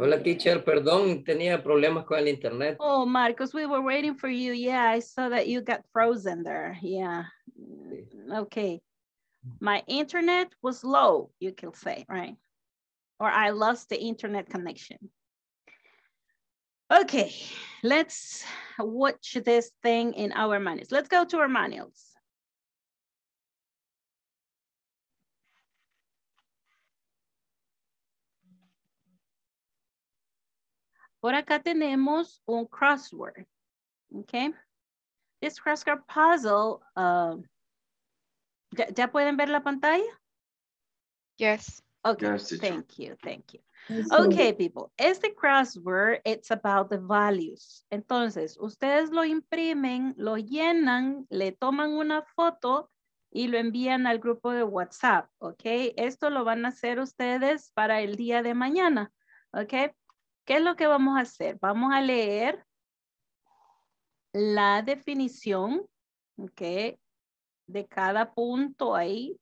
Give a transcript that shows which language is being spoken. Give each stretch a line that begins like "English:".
Spanish: Hola, teacher, perdón, tenía problemas con el internet.
English: Oh, Marcos, we were waiting for you. Yeah, I saw that you got frozen there. Yeah.
Spanish: Sí.
English: Okay. My internet was low, you can say, right? Or I lost the internet connection. Okay, let's watch this thing in our manuals. Let's go to our manuals.
Spanish: Por acá tenemos un crossword, okay?
English: This crossword puzzle,
Spanish: ¿ya pueden ver la pantalla?
English: Yes. Okay, yes, thank you, thank you. Okay, people,
Spanish: este
English: crossword, it's about the values.
Spanish: Entonces, ustedes lo imprimen, lo llenan, le toman una foto y lo envían al grupo de WhatsApp, okay? Esto lo van a hacer ustedes para el día de mañana, okay? ¿Qué es lo que vamos a hacer? Vamos a leer la definición, okay, de cada punto ahí.